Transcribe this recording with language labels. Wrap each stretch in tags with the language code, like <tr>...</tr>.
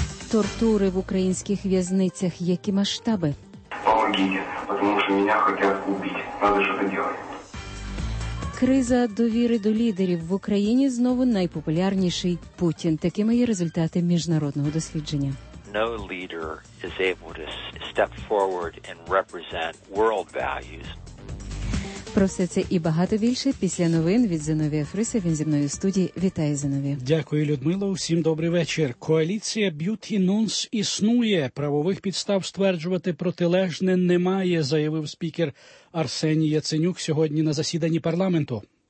<uk>Тортури в українських в'язницях. Які масштаби? Тому що мене хочуть убити. Треба щось робити. Криза довіри до лідерів. В Україні знову найпопулярніший Путін. Такими є результати міжнародного дослідження.</uk> <en>No leader is able to step forward and represent world values.</en> <uk>Про все це і багато більше після новин від Зиновія Фриса. Він зі мною в студії. Вітаю, Зиновію. Дякую, Людмило. Всім добрий вечір. Коаліція Beauty Nuns існує. Правових підстав стверджувати протилежне немає, заявив спікер Арсеній Яценюк сьогодні на засіданні парламенту.</uk>